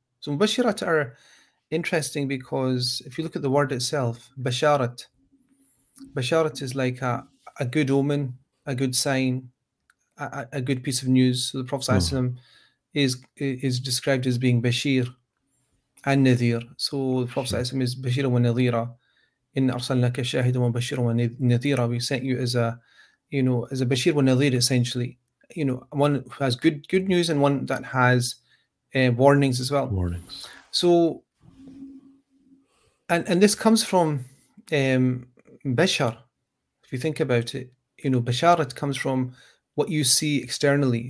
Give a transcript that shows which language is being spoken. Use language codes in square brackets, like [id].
[en] So mubashirat are interesting because if you look at the word itself, basharat is like a good omen, a good sign, a good piece of news. So the Prophet is described as being bashir. And Nadir. So the Prophet is Bashir wa Nadira. [ar] إن أرسلناك شاهدا وبشيرا ونذيرا. [en] We sent you as a, you know, as a bashir and nadir, essentially, you know, one who has good news and one that has warnings as well. Warnings. So, and this comes from bashar. If you think about it, you know, basharat comes from what you see externally.